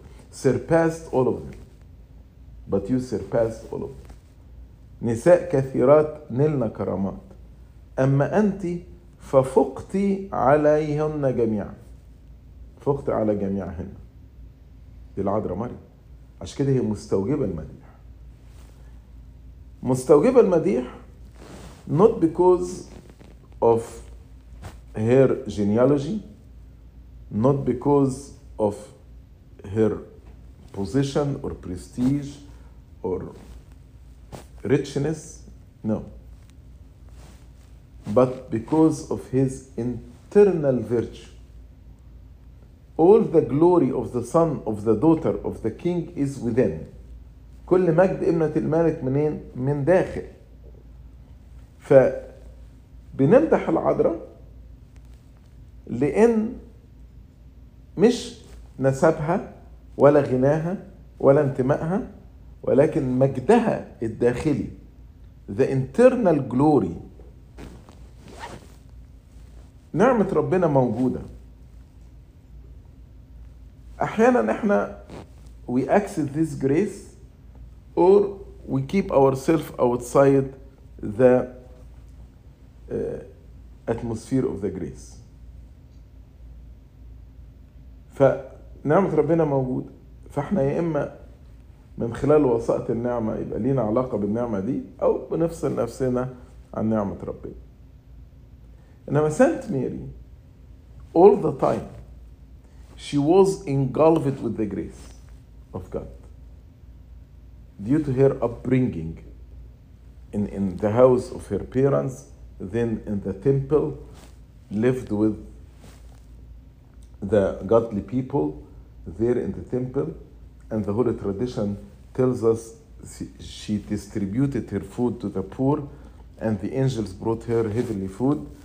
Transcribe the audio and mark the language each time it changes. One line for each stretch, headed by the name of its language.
English: Surpassed all of them, but you surpassed all of them.
Arabic: نساء كثيرات نلنا كرامات، أما أنت ففقتي عليهن جميعا. فقت على جميعهن. دي العذراء ماري، عشان كده هي مستوجبة المديح. مستوجبة المديح
English: not because of her genealogy, not because of her position or prestige or richness, no, but because of his internal virtue. All the glory of the son, of the daughter, of the king is within.
Arabic: كل مجد ابنة الملك منين؟ من داخل. فبنمدح العذراء لأن مش نسبها ولا غناها ولا انتمائها، ولكن مجدها الداخلي،
English: the internal glory.
Arabic: نعمة ربنا موجودة. أحيانا إحنا
English: we access this grace or we keep ourselves outside the atmosphere of the grace.
Arabic: فنعمة ربنا موجود، فإحنا يا إما من خلال وساطة النعمة يبقى لينا علاقة بالنعمة دي، أو بنفصل نفسنا عن نعمة ربنا.
English: إنما saint Mary all the time she was engulfed with the grace of God due to her upbringing in the house of her parents, then in the temple, lived with the godly people there in the temple, and the holy tradition tells us she distributed her food to the poor and the angels brought her heavenly food.